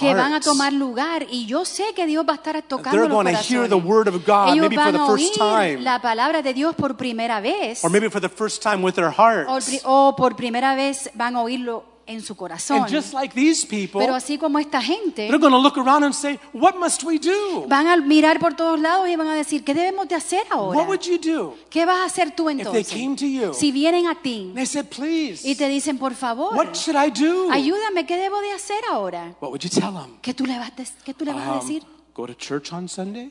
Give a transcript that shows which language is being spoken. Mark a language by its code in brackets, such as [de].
[es] Que van a tomar lugar y yo sé que Dios va a estar tocando los corazones. [en] They're going to hear the word of God [es] ellos [en] maybe for the first time. [es] La palabra de Dios por primera vez. [en] Or maybe for the first time with their hearts. [es] O por primera vez van a oírlo en su corazón. [en] And just like these people, [es] pero así como esta gente, [en] they're going to look around and say, "What must we do?" [es] Van a mirar por todos lados y van a decir, ¿qué debemos de hacer ahora? [en] What would you do? [es] ¿Qué vas a hacer tú entonces? [en] If they came to you, [es] si vienen a ti, [en] they said, "Please." [es] Y te dicen, por favor, [en] "What should I do?" [es] Ayúdame, ¿qué debo de hacer ahora? [en] What would you tell them? [es] ¿Qué tú le vas a decir? [en] Go to church on Sunday.